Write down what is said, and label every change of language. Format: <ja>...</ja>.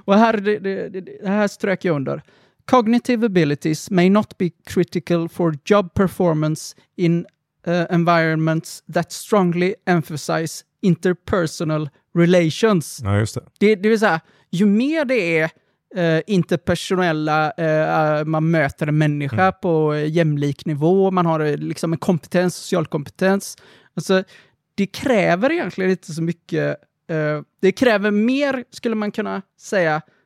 <sv>Och här, det här strök jag under.</sv> <en>Cognitive abilities may not be critical for job performance in environments that strongly emphasize interpersonal relations.</en> <sv>Ja, just det. Det vill säga, ju mer det är interpersonella, man möter en människa på jämlik nivå, man har liksom en kompetens, social kompetens. Alltså, det kräver egentligen inte så mycket. Det kräver mer, skulle man kunna säga.</sv>